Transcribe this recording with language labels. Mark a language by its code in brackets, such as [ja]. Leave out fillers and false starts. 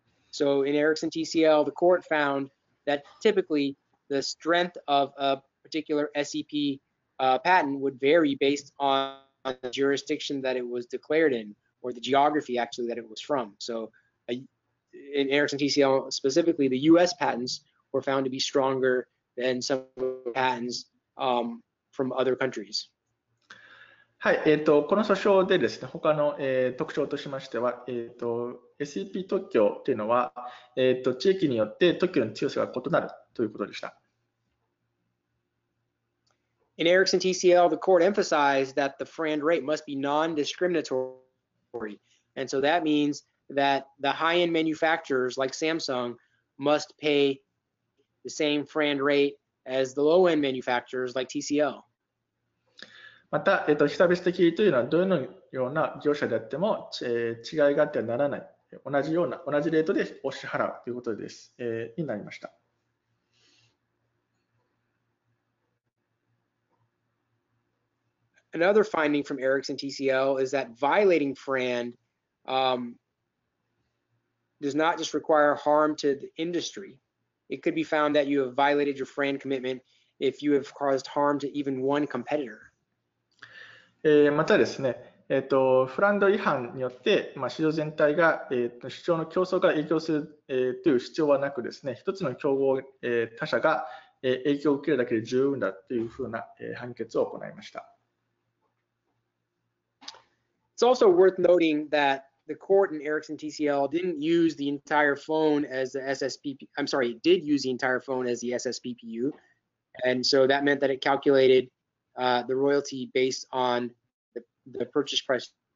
[en] So in Ericsson TCL, the court found that typically the strength of a particular SEP patent would vary based on the jurisdiction that it was declared in, or the geography actually that it was from. So in Ericsson TCL specifically, the US patents were found to be stronger than some patents from other countries. [ja] はい、この訴訟でですね、他の、特徴としましては、SEP 特許というのは、地域によって特許の強さが異なるということでした。 [en] In Ericsson TCL, the court emphasized that the FRAND rate must be non-discriminatory. And so that means that the high-end manufacturers like Samsung must pay the same FRAND rate as the low-end manufacturers like TCL. [ja] また、非差別的というのはどのような業者であっても、違いがあってはならない、同じレートでお支払うということです、になりました。 [en] Another finding from Ericsson TCL is that violating FRAND, does not just require harm to the industry. It could be found that you have violated your FRAND commitment if you have caused harm to even one competitor. [ja] またですね、フランド違反によって、まあ、市場全体が、市場の競争が影響する、という主張はなくですね、一つの競合、他社が、影響を受けるだけで十分だというふうな、判決を行いました。 [en] It's also worth noting that the court in Ericsson TCL didn't use the entire phone as the SSPP, I'm sorry, it did use the entire phone as the SSPPU, and so that meant that it calculatedthe royalty based on the purchase price.